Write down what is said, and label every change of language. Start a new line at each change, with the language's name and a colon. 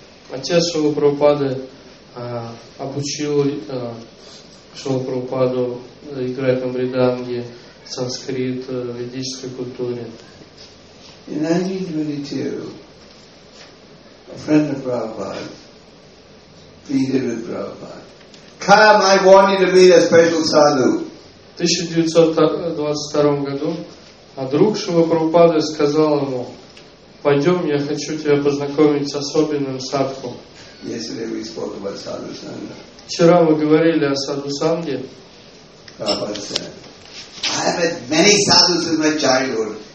Russian: Отец Шрилы Прабхупады обучил Шрилу Прабхупаду играть на мриданге, санскрит, ведической культуре.
English: In 1922, a friend of Prabhupada pleaded with Prabhupada, "Come, I want you to meet a special sadhu."
Russian: В 1922 году друг Шрилы Прабхупады сказал ему: "Пойдем, я хочу тебя познакомить с особенным садху."
English: Yesterday we spoke about sadhu sangha.
Russian: Вчера мы говорили о садху санге.
English: Prabhupada said, "I have met many sadhus in my childhood.